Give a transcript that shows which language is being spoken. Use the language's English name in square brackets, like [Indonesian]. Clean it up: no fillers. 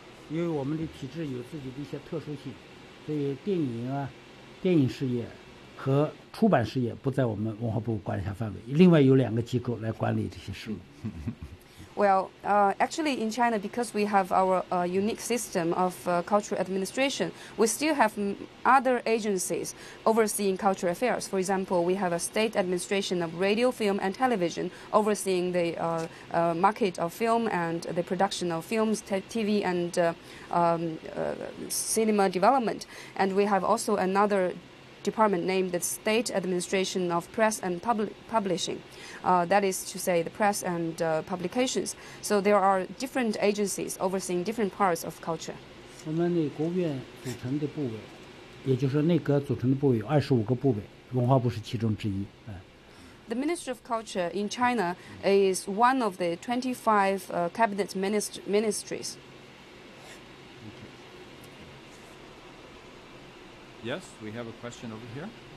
[Chinese] 因为我们的体制有自己的一些特殊性，所以电影啊、电影事业、和出版事业不在我们文化部管辖范围，另外有两个机构来管理这些事务。 [English] Well, actually in China, because we have our unique system of cultural administration, we still have other agencies overseeing cultural affairs. For example, we have a state administration of radio, film and television overseeing the market of film and the production of films, TV and cinema development. And we have also another department named the State Administration of Press and Publishing. That is to say the press and publications. So there are different agencies overseeing different parts of culture. [Chinese] 我们的国务院组成的部委，也就是内阁组成的部委有25个部委，文化部是其中之一。 [English] The Ministry of Culture in China is one of the 25 cabinet ministries. Yes, we have a question over here.